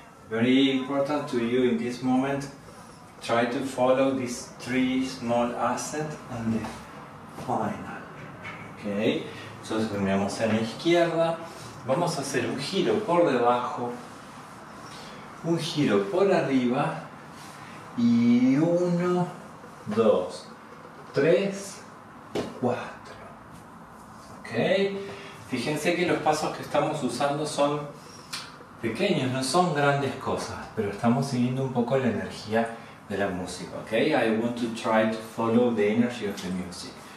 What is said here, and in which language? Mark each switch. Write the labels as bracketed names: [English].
[English] Very important to you in this moment, try to follow these three small accents and the final. [Spanish] Okay? Entonces terminamos en la izquierda. Vamos a hacer un giro por debajo, un giro por arriba y uno, dos, tres, cuatro. ¿Ok? Fíjense que los pasos que estamos usando son pequeños, no son grandes cosas, pero estamos siguiendo un poco la energía de la música. ¿Ok? [English] I want to try to follow the energy of the music.